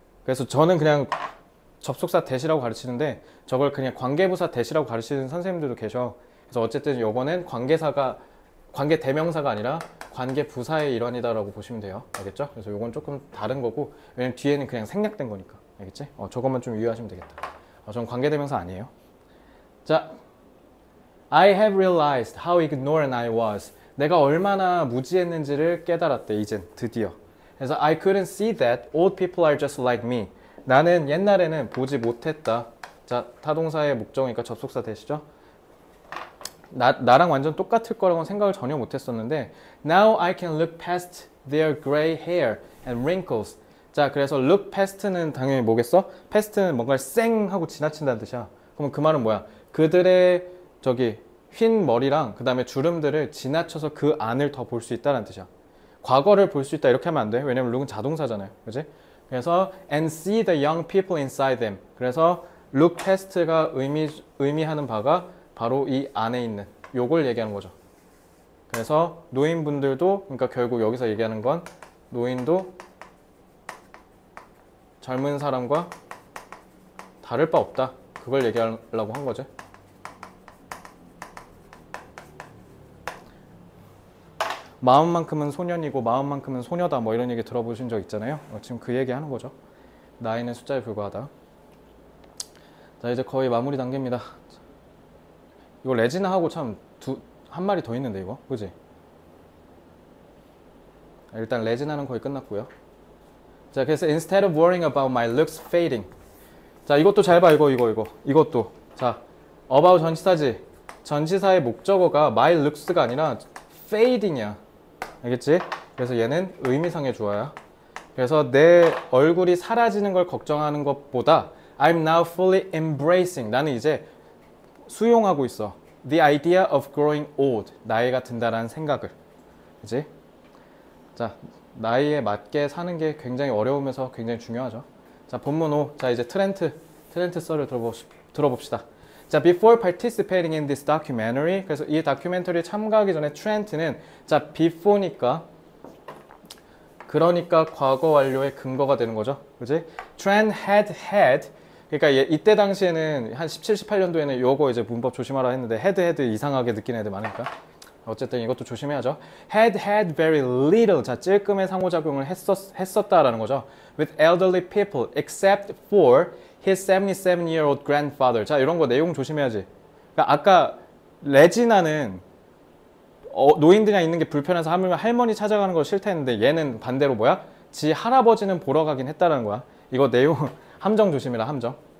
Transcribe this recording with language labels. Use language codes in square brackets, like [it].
[ko] 그래서 저는 그냥 접속사 대시라고 가르치는데 저걸 그냥 관계부사 대시라고 가르치는 선생님들도 계셔. 그래서 어쨌든 요거는 관계사가 관계대명사가 아니라 관계부사의 일환이다라고 보시면 돼요. 알겠죠? 그래서 요건 조금 다른 거고 왜냐면 뒤에는 그냥 생략된 거니까. 알겠지? 저것만 좀 유의하시면 되겠다. 전 관계대명사 아니에요. [en] 자, I have realized how ignorant I was. [ko] 내가 얼마나 무지했는지를 깨달았대, 이젠 드디어. [en] 그래서 I couldn't see that old people are just like me. [ko] 나는 옛날에는 보지 못했다. 자, 타동사의 목적이니까 접속사 되시죠? 나랑 완전 똑같을 거라고 생각을 전혀 못했었는데 [en] Now I can look past their gray hair and wrinkles. [ko] 자, 그래서 look past는 당연히 뭐겠어? past는 뭔가를 쌩 하고 지나친다는 뜻이야. 그러면 그 말은 뭐야? 그들의 저기 흰 머리랑 그 다음에 주름들을 지나쳐서 그 안을 더볼수 있다는 뜻이야. 과거를 볼수 있다 이렇게 하면 안 돼. 왜냐면 룩은 자동사잖아요. 그렇지? [en] 그래서 and see the young people inside them. [ko] 그래서 look past가 의미하는 바가 바로 이 안에 있는 요걸 얘기하는 거죠. 그래서 노인분들도, 그러니까 결국 여기서 얘기하는 건 노인도 젊은 사람과 다를 바 없다. 그걸 얘기하려고 한 거죠. 마음만큼은 소년이고 마음만큼은 소녀다. 뭐 이런 얘기 들어보신 적 있잖아요. 지금 그 얘기 하는 거죠. 나이는 숫자에 불과하다. 자, 이제 거의 마무리 단계입니다. 이거 레지나하고 참 한 마리 더 있는데 이거. 그지? 일단 레지나는 거의 끝났고요. [en] 자, 그래서 instead of worrying about my looks fading. [ko] 자, 이것도 잘 봐. 이것도. 자, about 전치사지. 전치사의 목적어가 my looks가 아니라 fading이야. 알겠지? 그래서 얘는 의미상의 주어야. 그래서 내 얼굴이 사라지는 걸 걱정하는 것보다 [en] I'm now fully embracing. [ko] 나는 이제 수용하고 있어. [en] The idea of growing old. [ko] 나이가 든다라는 생각을. 그치? 자, 나이에 맞게 사는 게 굉장히 어려우면서 굉장히 중요하죠. 자, 본문 5. 자, 이제 트렌트 썰을 들어봅시다. 자, [en] before participating in this documentary, [ko] 그래서 이 다큐멘터리에 참가하기 전에 트렌트는, 자, before니까, 그러니까 과거 완료의 근거가 되는 거죠. 그지? Trent had, 그러니까 이때 당시에는 한 17, 18년도에는 요거 이제 문법 조심하라 했는데, had 이상하게 느끼는 애들 많으니까. 어쨌든 이것도 조심해야죠. [en] Had very little, [ko] 자, 찔끔의 상호작용을 했었다라는 거죠. [en] With elderly people, except for his 77-year-old grandfather. [ko] 자, 이런 거 내용 조심해야지. 그러니까 아까 레지나는 노인들이랑 있는 게 불편해서 하물며 할머니 찾아가는 걸 싫다 했는데 얘는 반대로 뭐야? 지 할아버지는 보러 가긴 했다라는 거야. 이거 내용 함정 조심이라 함정.